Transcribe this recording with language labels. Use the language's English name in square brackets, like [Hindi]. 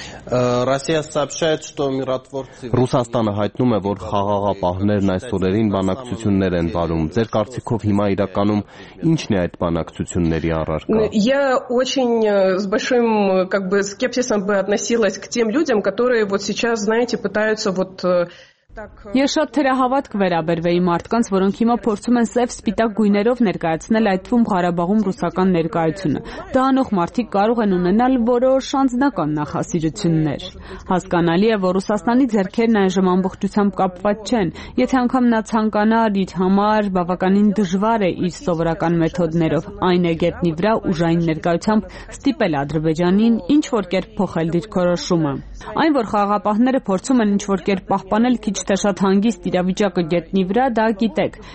[Armenian] Ռուսաստանը հայտնում է, որ խաղաղապահներն այս օրերին բանակցություններ են վարում։ Ձեր կարծիքով հիմա իրականում ի՞նչն է այդ բանակցությունների առարկա։ [Russian] Я очень с большим скепсисом бы относилась к тем людям, которые вот сейчас, знаете, пытаются вот [Armenian] Ես շատ թերահավատք վերաբերվեի մարդկանց, որոնք հիմա փորձում են սև սպիտակ գույներով ներկայացնել այդվում Ղարաբաղում ռուսական ներկայությունը։ Դա անող մարդիկ կարող են ունենալ որոշ անձնական նախասիրություններ։ Հասկանալի է, որ Ռուսաստանի ձեռքերն այժմ ամբողջությամբ կապված չեն, եթե անգամ նա ցանկանար, իր համար բավականին դժվար է իր սովորական մեթոդներով այն եգետնի վրա ուժային ներկայությամբ ստիպել Ադրբեջանին ինչ որ կերպ փոխել դիրքորոշումը։ Այն, որ խաղապահները փորձում են ինչ որ կերպ պահպանել քիչ թե շատ հանգիստ իրավիճակը գետնի վրա, դա գիտեք,